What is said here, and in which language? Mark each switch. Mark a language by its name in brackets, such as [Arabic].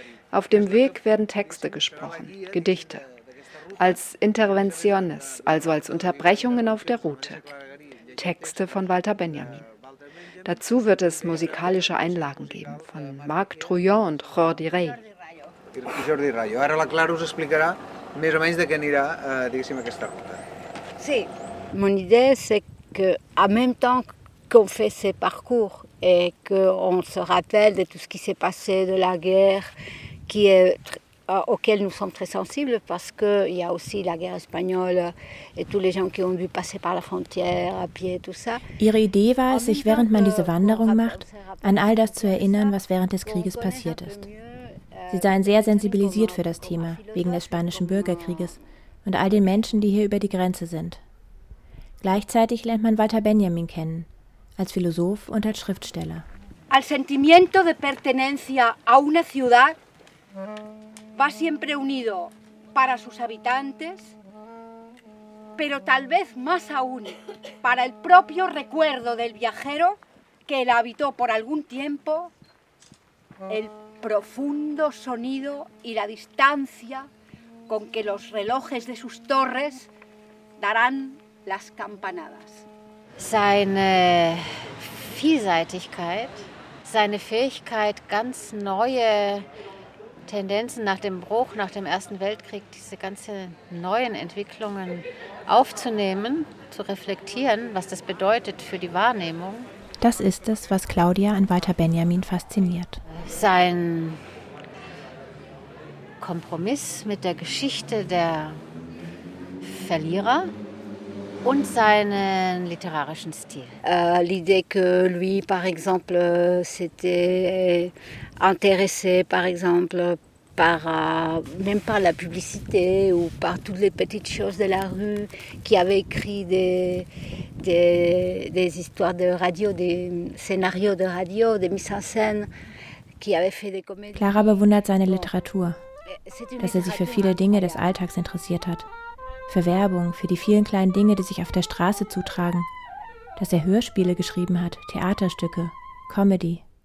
[German] Auf dem Weg werden Texte gesprochen, Gedichte. Als Interventiones, also als Unterbrechungen auf der Route. Texte von Walter Benjamin. Dazu wird es musikalische Einlagen geben von Marc Trouillon und Jordi Rey. [Catalan] Jordi Rayo, ara la Clara us explicarà més o menys de què anirà, diguéssim, aquesta ruta. [French] Sí, mon idée c'est que en même temps qu'on fait ces parcours et qu'on se rappelle de tout ce qui s'est passé, de la guerre, qui est auquel nous sommes très sensibles parce qu'il y a aussi la guerre espagnole et tous les gens qui ont dû passer par la frontière à pied, tout ça. [German] Ihre Idee war es, sich während man diese Wanderung macht, an all das zu erinnern, was während des Krieges passiert ist. Sie seien sehr sensibilisiert für das Thema, wegen des spanischen Bürgerkrieges und all den Menschen, die hier über die Grenze sind. Gleichzeitig lernt man Walter Benjamin kennen, als Philosoph und als Schriftsteller. [Spanish] Al sentimiento de pertenencia a una ciudad va siempre unido para sus habitantes, pero tal vez más aún para el propio recuerdo del viajero que la habitó por algún tiempo, el profundo sonido y la distancia con que los relojes de sus torres darán las campanadas. [German] Seine Vielseitigkeit, seine Fähigkeit, ganz neue Tendenzen nach dem Bruch, nach dem Ersten Weltkrieg, diese ganzen neuen Entwicklungen aufzunehmen, zu reflektieren, was das bedeutet für die Wahrnehmung. Das ist es, was Claudia an Walter Benjamin fasziniert. Sein Kompromiss mit der Geschichte der Verlierer und seinen literarischen Stil. [French] L'idée que lui, par exemple, s'était intéressé, par exemple, par même par la publicité ou par toutes les petites choses de la rue, qui avait écrit des histoires de radio, des scénarios de radio, des mises en scène, qui avait fait des comédies. [German] Clara bewundert seine Literatur, dass er sich für viele Dinge des Alltags interessiert hat. Für Werbung, für die vielen kleinen Dinge, die sich auf der Straße zutragen. Dass er Hörspiele geschrieben hat, Theaterstücke, Comedy.